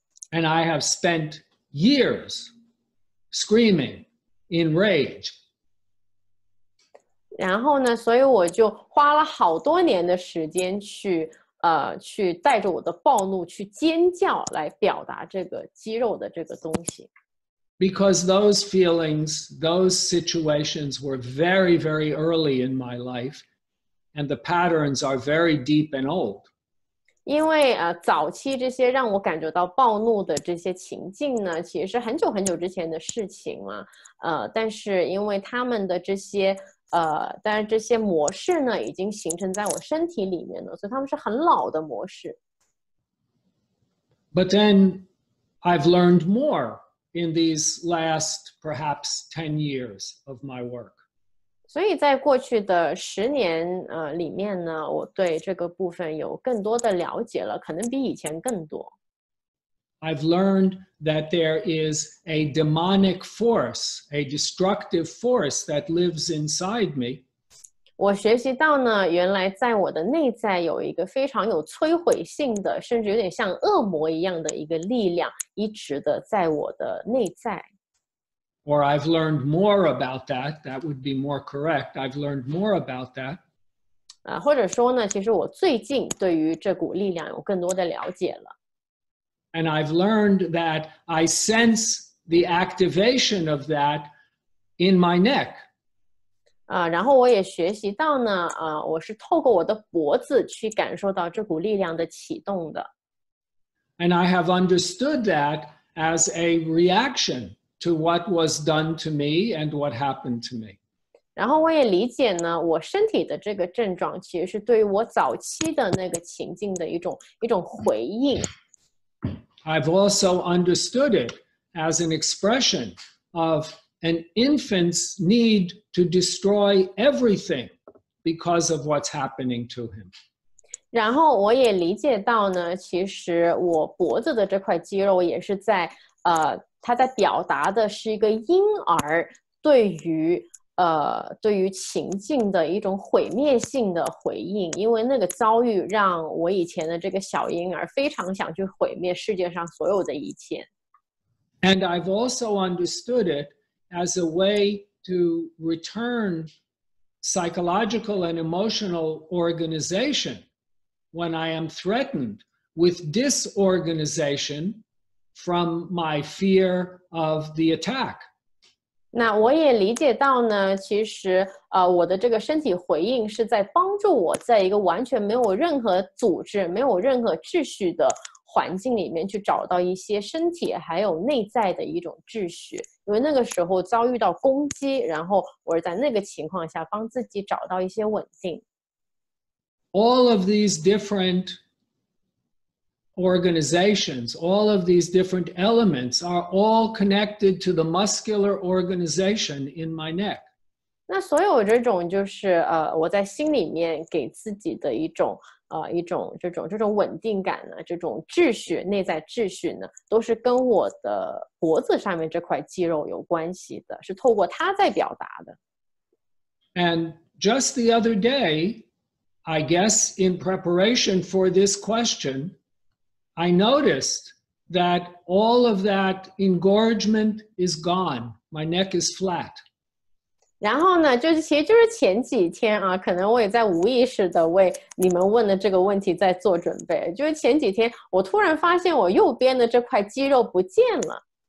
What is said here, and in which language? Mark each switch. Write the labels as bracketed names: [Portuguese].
[English] And I have spent years screaming in rage. [Chinese] 然后呢，所以我就花了好多年的时间去带着我的暴怒去尖叫，来表达这个肌肉的这个东西。 [English] Because those feelings, those situations were very, very early in my life, and the patterns are very deep and old. [Chinese] 因为早期这些让我感觉到暴怒的这些情境呢，其实是很久很久之前的事情嘛。但是因为他们的这些但是这些模式呢，已经形成在我身体里面了，所以他们是很老的模式。 [English] But then I've learned more. In these last perhaps 10 years of my work. [Chinese] 所以在过去的十年里面呢，我对这个部分有更多的了解了，可能比以前更多。 [English] I've learned that there is a demonic force, a destructive force that lives inside me. [Chinese] 我学习到呢，原来在我的内在有一个非常有摧毁性的，甚至有点像恶魔一样的一个力量，一直的在我的内在。 [English] Or I've learned more about that. That would be more correct. I've learned more about that. [Chinese] 或者说呢，其实我最近对于这股力量有更多的了解了。 [English] And I've learned that I sense the activation of that in my neck. [Chinese] 然后我也学习到呢，我是透过我的脖子去感受到这股力量的启动的。 [English] And I have understood that as a reaction to what was done to me and what happened to me. [Chinese] 然后我也理解呢，我身体的这个症状其实是对于我早期的那个情境的一种回应。 [English] I've also understood it as an expression of. An infant's need to destroy everything because of what's happening to him. [Chinese] 然后我也理解到呢，其实我脖子的这块肌肉也是在它在表达的是一个婴儿对于情境的一种毁灭性的回应，因为那个遭遇让我以前的这个小婴儿非常想去毁灭世界上所有的一切。 [English] And I've also understood it. As a way to return psychological and emotional organization when I am threatened with disorganization from my fear of the attack. [Chinese] 那我也理解到呢，其实我的这个身体回应是在帮助我在一个完全没有任何组织、没有任何秩序的环境里面去找到一些身体还有内在的一种秩序，因为那个时候遭遇到攻击，然后我在那个情况下帮自己找到一些稳定。 [English] All of these different organizations, all of these different elements are all connected to the muscular organization in my neck. [Chinese] 那所有这种就是我在心里面给自己的一种一种这种稳定感呢，这种秩序，内在秩序呢，都是跟我的脖子上面这块肌肉有关系的，是透过它在表达的。 [English] And just the other day, I guess in preparation for this question, I noticed that all of that engorgement is gone. My neck is flat. [Chinese] 然后呢，就是其实就是前几天啊，可能我也在无意识的为你们问的这个问题在做准备。就是前几天，我突然发现我右边的这块肌肉不见了。